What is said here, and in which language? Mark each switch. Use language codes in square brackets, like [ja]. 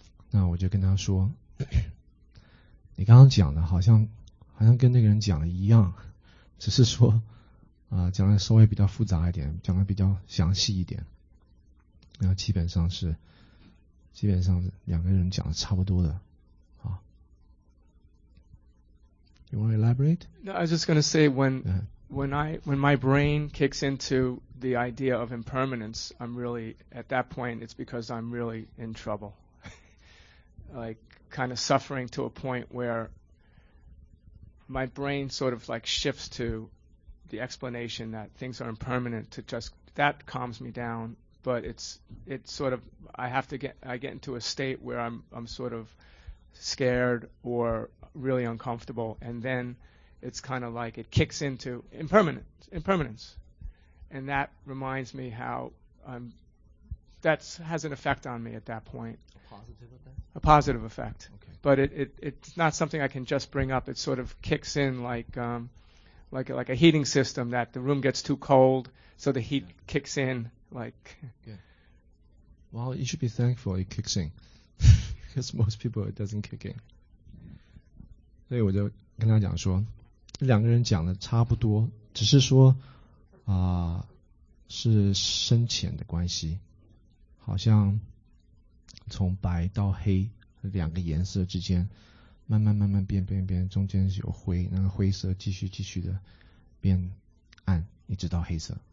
[zh] 那我就跟他说，你刚刚讲的好像跟那个人讲的一样，只是说讲的稍微比较复杂一点，讲的比较详细一点，然后基本上两个人讲的差不多的。 [en] You want to elaborate? No, I was just going to say when my brain kicks into the idea of impermanence, I'm really, at that point, it's because I'm really in trouble. Like, kind of suffering to a point where my brain sort of like shifts to the explanation that things are impermanent to just, that calms me down, but it's sort of, I get into a state where I'm sort of scared or really uncomfortable, and then it's kind of like it kicks into impermanence. And that reminds me how that has an effect on me at that point. A positive effect. Okay. But it's not something I can just bring up. It sort of kicks in like a heating system, that the room gets too cold, so the heat kicks in. Like. Yeah. Well, you should be thankful it kicks in. Because most people, it doesn't kick in. [zh] 所以我就跟他讲说，两个人讲的差不多，只是说是深浅的关系，好像从白到黑两个颜色之间慢慢变，中间有灰，那个灰色继续的变暗，一直到黑色。